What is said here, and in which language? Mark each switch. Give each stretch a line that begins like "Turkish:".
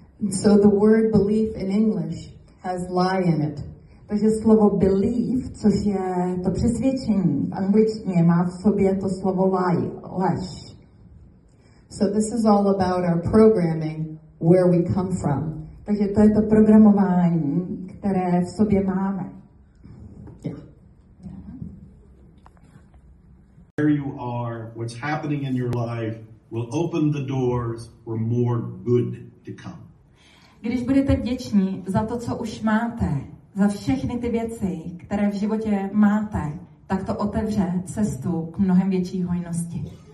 English: So the word belief in English has lie in it.
Czech: Takže slovo belief, což je to přesvědčení v angličtině, má v sobě to slovo lie, lež.
English: So this is all about our programming, where we come from.
Czech: Takže to je to programování, které v sobě máme.
English: Yeah. Where you are, what's happening in your life will open the doors for more good to come.
Czech: Když budete vděční za to, co už máte, za všechny ty věci, které v životě máte, tak to otevře cestu k mnohem větší hojnosti.